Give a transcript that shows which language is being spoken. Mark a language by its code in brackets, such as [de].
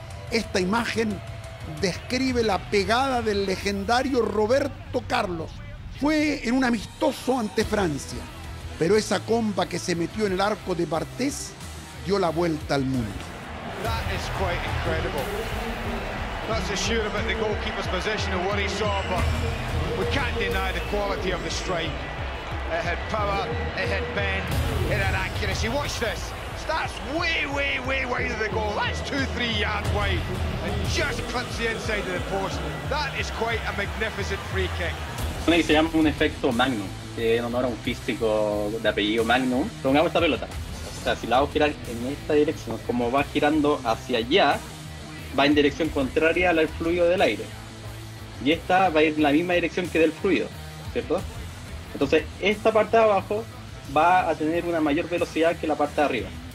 [es] Esta imagen describe la pegada del legendario Roberto Carlos. Fue en un amistoso ante Francia, pero esa comba que se metió en el arco de Barthez dio la vuelta al mundo. [en] That is quite incredible. That's a shoot about the goalkeeper's position and what he saw, but we can't deny the quality of the strike. It had power, it had bend, it had accuracy. Watch this. That's way, way, way wide of the goal. That's 2-3 yards wide. And just cuts the inside of the post. That is quite a magnificent free kick. [es] Se llama un efecto Magnum, que en honor a un físico de apellido Magnum. Pongamos esta pelota. O sea, si la hago girar en esta dirección, como va girando hacia allá, va en dirección contraria al fluido del aire. Y esta va a ir en la misma dirección que del fluido, ¿cierto? Entonces, esta parte de abajo va a tener una mayor velocidad que la parte de arriba.